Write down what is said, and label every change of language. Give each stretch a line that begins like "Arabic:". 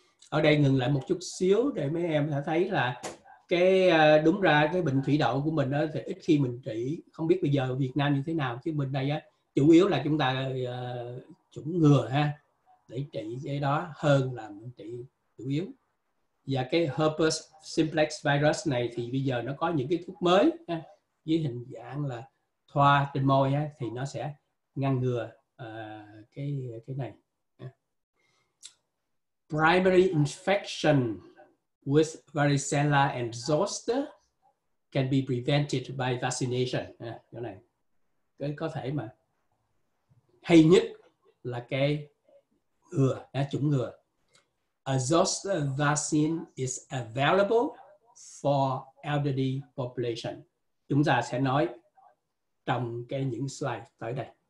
Vietnamese: Ở đây ngừng lại một chút xíu để mấy em đã thấy là cái đúng ra cái bệnh thủy đậu của mình thì ít khi mình trị, không biết bây giờ Việt Nam như thế nào, chứ mình đây chủ yếu là chúng ta chủng ngừa ha, để trị cái đó hơn là mình trị chủ yếu. Và cái herpes simplex virus này thì bây giờ nó có những cái thuốc mới với hình dạng là thoa trên môi thì nó sẽ ngăn ngừa cái này.
English: Primary infection with varicella and zoster can be prevented by vaccination.
Vietnamese: Chỗ này cái có thể mà hay nhất là cái ngừa, chủng ngừa.
English: A zoster vaccine is available for elderly population.
Vietnamese: Chúng ta sẽ nói trong cái những slide tới đây.